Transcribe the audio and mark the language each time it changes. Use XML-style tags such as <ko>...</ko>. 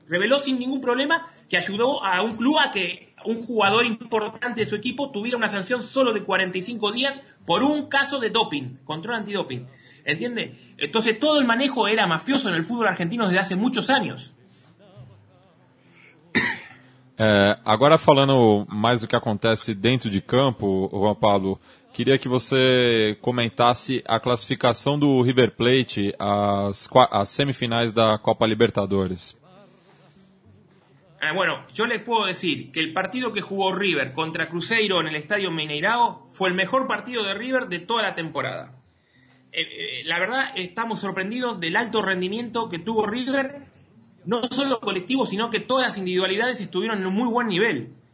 <es>Reveló sin ningún problema que ayudó a un club a que un jugador importante de su equipo tuviera una sanción solo de 45 días por un caso de doping, control antidoping. ¿Entiende? Entonces todo el manejo era mafioso en el fútbol argentino desde hace muchos años.</es> <pt>Agora falando mais do que acontece dentro de campo, Juan Pablo, queria que você comentasse a classificação do River Plate às semifinais da Copa Libertadores.</pt> <es>Bueno, yo les puedo decir que el partido que jugó River contra Cruzeiro en el Estadio Mineirao fue el mejor partido de River de toda la temporada. La verdad, estamos sorprendidos del alto rendimiento que tuvo River, no solo colectivo, sino que todas las individualidades estuvieron en un muy buen nivel.</es>